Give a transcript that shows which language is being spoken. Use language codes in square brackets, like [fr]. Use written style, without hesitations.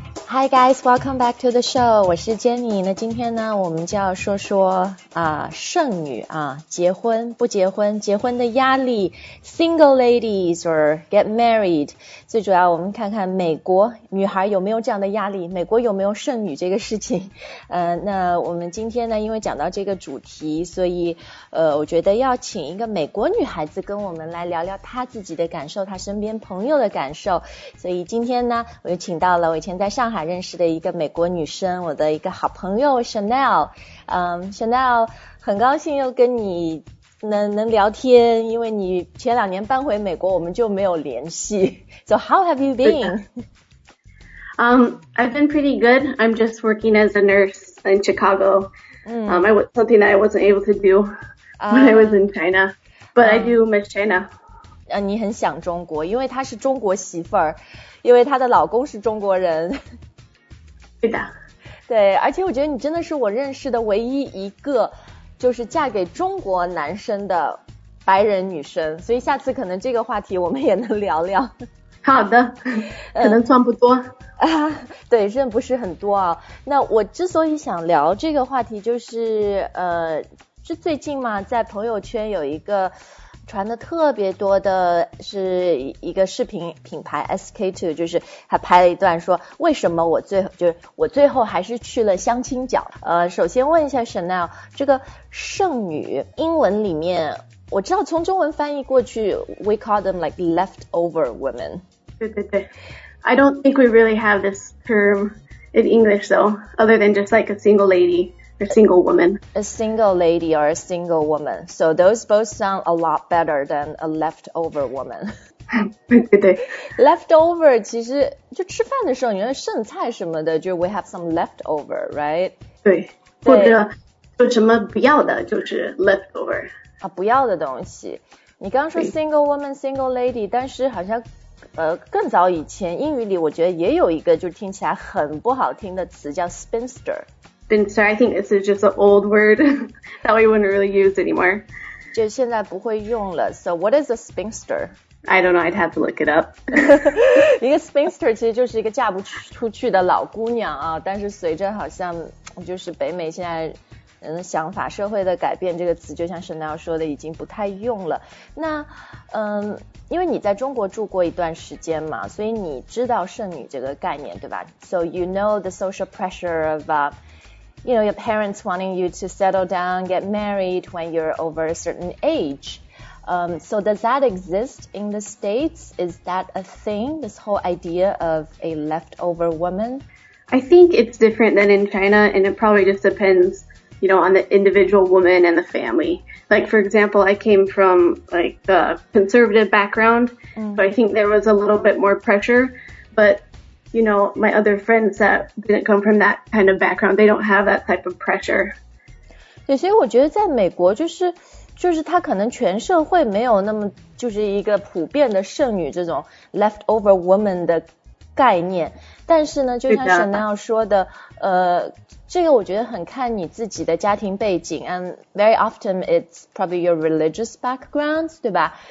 [en] Hi guys, welcome back to the show. [zh] 我是 Jenny. 那今天呢，我们就要说说剩女啊，结婚不结婚，结婚的压力 ， [en] single ladies or get married. [zh] 最主要，我们看看美国女孩有没有这样的压力，美国有没有剩女这个事情。那我们今天呢，因为讲到这个主题，所以我觉得要请一个美国女孩子跟我们来聊聊她自己的感受，她身边朋友的感受。所以今天呢，我就请到了我以前在上海认识的一个美国女生，我的一个好朋友 Chanel。 Chanel， 很高兴又跟你能聊天，因为你前两年搬回美国，我们就没有联系。 [en] So how have you been? I've been pretty good. I'm just working as a nurse in Chicago. I was something that I wasn't able to do when I was in China, but I do miss China. [zh] 你很想中国，因为她是中国媳妇儿，因为她的老公是中国人。对的。对，而且我觉得你真的是我认识的唯一一个就是嫁给中国男生的白人女生，所以下次可能这个话题我们也能聊聊。好的，可能算不多。对，真的不是很多啊。那我之所以想聊这个话题，就是是最近嘛，在朋友圈有一个传的特别多的是一个视频品牌 SK2， 就是他拍了一段说为什么我最后还是去了相亲角。首先问一下 Chanel， 这个剩女英文里面我知道从中文翻译过去 [en] we call them like leftover women。 [zh] 对对对， [en] I don't think we really have this term in English though, other than just like a single ladyA single lady or a single woman. So those both sound a lot better than a leftover woman. [zh] 对对对。 Leftover 其实就吃饭的时候，你看剩菜什么的，就 [en] we have some leftover, right? [zh] 对，或者就什么不要的，就是 leftover. 啊，不要的东西。你刚刚说 single woman, single lady, 但是好像更早以前英语里，我觉得也有一个就听起来很不好听的词叫 spinster. [en] Spinster, I think this is just an old word that we wouldn't really use anymore. [zh] 就现在不会用了。 [en] So what is a spinster? I don't know, I'd have to look it up. [zh] 一个 spinster 其实就是一个嫁不出去的老姑娘啊，但是随着好像就是北美现在人的想法，社会的改变，这个词就像 Chanel 说的已经不太用了。那因为你在中国住过一段时间嘛，所以你知道剩女这个概念对吧？ [en] So you know the social pressure of you know, your parents wanting you to settle down, get married when you're over a certain age. So does that exist in the States? Is that a thing, this whole idea of a leftover woman? I think it's different than in China, and it probably just depends, you know, on the individual woman and the family. Like, for example, I came from, like, the conservative background, so I think there was a little bit more pressure, but... You know, my other friends that didn't come from that kind of background, they don't have that type of pressure. [zh] 对，所以我觉得在美国就是他可能全社会没有那么就是一个普遍的剩女这种 leftover woman 的概念。但是呢，就像 Chanel 说的，这个我觉得很看你自己的家庭背景 ， [en] and very often it's probably your religious backgrounds, [zh] 对吧？